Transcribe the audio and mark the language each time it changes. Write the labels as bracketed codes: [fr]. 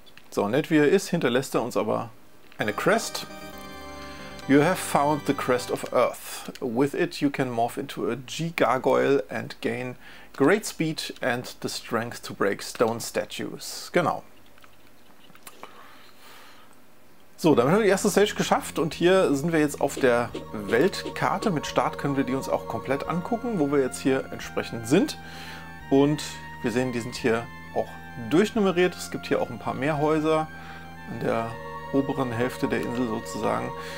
[de] So nett wie er ist, hinterlässt er uns aber eine Crest. [en] You have found the Crest of Earth. With it you can morph into a G-Gargoyle and gain great speed and the strength to break stone statues. [de] Genau. So, damit haben wir die erste Stage geschafft und hier sind wir jetzt auf der Weltkarte. Mit Start können wir die uns auch komplett angucken, wo wir jetzt hier entsprechend sind. Und wir sehen, die sind hier auch durchnummeriert. Es gibt hier auch ein paar mehr Häuser in der oberen Hälfte der Insel sozusagen.